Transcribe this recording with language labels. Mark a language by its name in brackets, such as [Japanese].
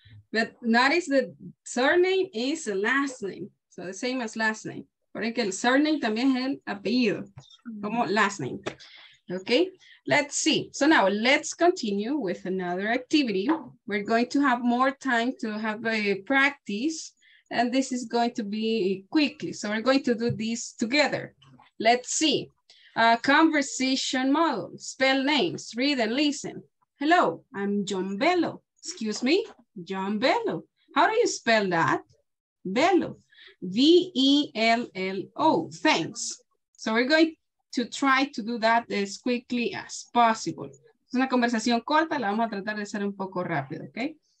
[English] But notice that surname is a last name, so the same as last name. [Spanish] Porque el surname también es el apellido, como last name. [English] Okay, let's see. So now let's continue with another activity. We're going to have more time to have a practice, and this is going to be quickly. So we're going to do this together. Let's see. Conversation model, spell names, read and listen. Hello, I'm John Bello. Excuse me, John Bello. How do you spell that? Bello, V-E-L-L-O, thanks. So we're going to try to do that as quickly as possible. [Spanish] Es una conversación corta, la vamos a tratar de hacer un poco rápido, okay?